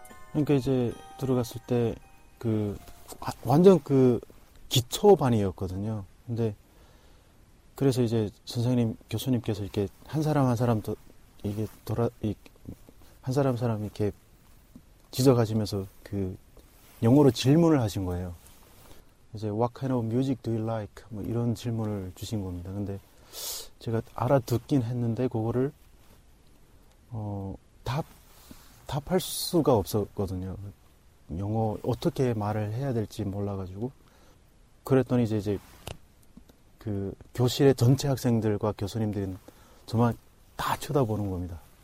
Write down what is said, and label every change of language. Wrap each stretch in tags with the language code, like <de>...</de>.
<ko>그러니까 이제 들어갔을 때 그 완전 그 기초반이었거든요. 근데 그래서 이제 선생님 교수님께서 이렇게 한 사람 한 사람 또 이게 돌아 이 한 사람 사람 이렇게 지적하시면서 그 영어로 질문을 하신 거예요. 이제</ko> <en>What kind of music do you like?</en> <ko>뭐 이런 질문을 주신 겁니다. 근데 제가 알아듣긴 했는데 그거를 답할 수가 없었거든요. 영어 어떻게 말을 해야 될지 몰라가지고. 그랬더니 이제 그 교실의 전체 학생들과 교수님들이 저만 다 쳐다보는 겁니다.</ko>